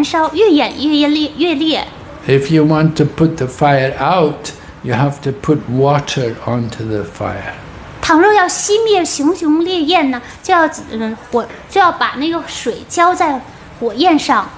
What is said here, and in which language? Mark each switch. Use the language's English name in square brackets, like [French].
[Chinese] 就好像呢，我们在点一堆火，倘若火上浇油的话，那这火焰永远不会熄灭，它反而会越燃烧越烈。 [English] If you want to put the fire out, you have to put water onto the fire. [Chinese] 倘若要熄灭熊熊烈焰呢，就要把那个水浇在火焰上。